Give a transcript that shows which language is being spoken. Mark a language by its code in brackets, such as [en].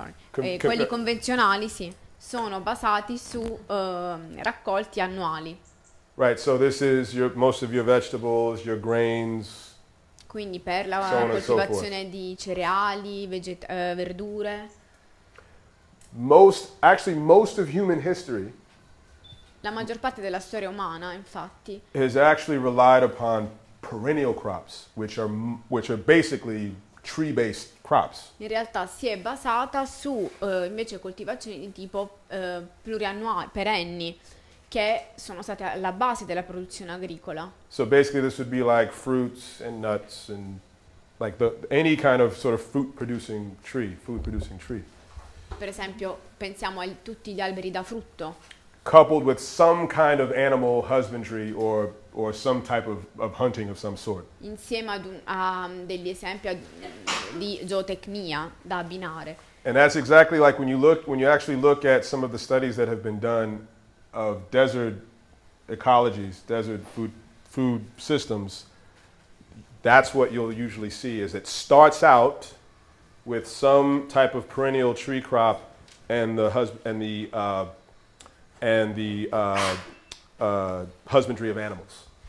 [it] Quelli convenzionali, sì, sono basati su raccolti annuali. [en] Right, so this is your most of your vegetables, your grains. [it] Quindi per la coltivazione di cereali, verdure. [en] Most of human history. [it] La maggior parte della storia umana, infatti, [en] has actually relied upon perennial crops, which are basically tree-based crops. [it] In realtà si è basata su invece coltivazioni di tipo pluriannuali, perenni, che sono state la base della produzione agricola. [en] So basically this would be like fruits and nuts and like the any kind of sort of food producing tree. [it] Per esempio, pensiamo a tutti gli alberi da frutto. [en] Coupled with some kind of animal husbandry or some type of hunting of some sort. [it] Insieme a degli esempi di zootecnia da abbinare. [en] And that's exactly like when you actually look at some of the studies that have been done of desert ecologies, desert food systems, that's what you'll usually see, is it starts out with some type of perennial tree crop and the husbandry of animals.